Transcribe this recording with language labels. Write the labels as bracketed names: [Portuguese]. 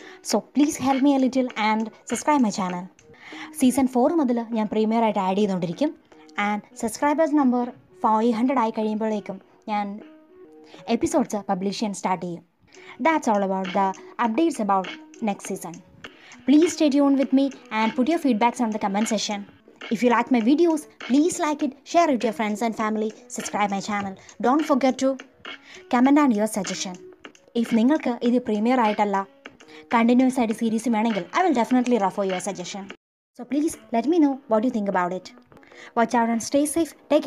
[English] So please help me a little and subscribe my channel. [Malayalam] Season 4 മുതൽ ഞാൻ premier ആയിട്ട് add ചെയ്തുകൊണ്ടിരിക്കും. [English] and subscribers number 500 [Malayalam] ആയി കഴിയുമ്പോഴേക്കും ഞാൻ [English] Episodes publish ചെയ്യാൻ start ചെയ്യും. That's all about the updates about next season. Please stay tuned with me and put your feedbacks on the comment section. If you like my videos, please like it, share with your friends and family, subscribe my channel. Don't forget to comment on your suggestion. If [Malayalam] നിങ്ങൾക്ക് ഇത് premier ആയിട്ടല്ല continuous ആയിട്ട് series വേണമെങ്കിൽ [English] I will definitely refer your suggestion. So please let me know what you think about it. Watch out and stay safe. Take care.